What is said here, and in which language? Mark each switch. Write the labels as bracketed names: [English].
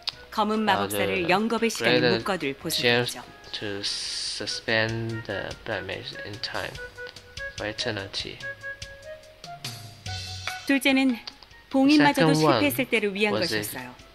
[Korean] 검은 마법사를 영겁의 시간에 묶어둘 보석이죠. [English] To suspend the black mage in time for eternity. [Korean] 둘째는 봉인마저도 실패했을 때를 위한 것이었어요.